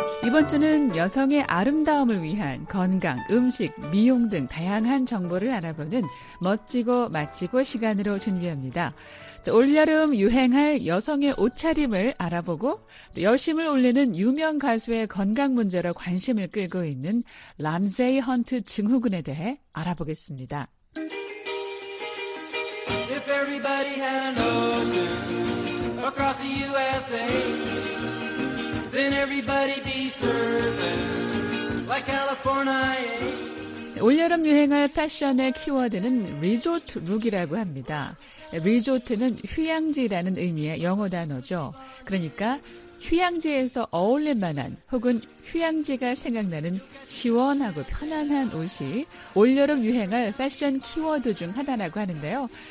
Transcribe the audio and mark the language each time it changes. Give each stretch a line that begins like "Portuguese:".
Korean: 이번 주는 여성의 아름다움을 위한 건강, 음식, 미용 등 다양한 정보를 알아보는 멋지고 맛지고 시간으로 준비합니다. 올여름 유행할 여성의 옷차림을 알아보고 또 여심을 올리는 유명 가수의 건강 문제로 관심을 끌고 있는 람세이 헌트 증후군에 대해 알아보겠습니다.
English: If everybody had an ocean across the USA, then everybody'd be serving like California.
Korean: 올여름 유행할 패션의 키워드는 리조트 룩이라고 합니다. 리조트는 휴양지라는 의미의 영어 단어죠. 그러니까 휴양지에서 어울릴 만한 혹은 휴양지가 생각나는 시원하고 편안한 옷이 올여름 유행할 패션 키워드 중 하나라고 하는데요.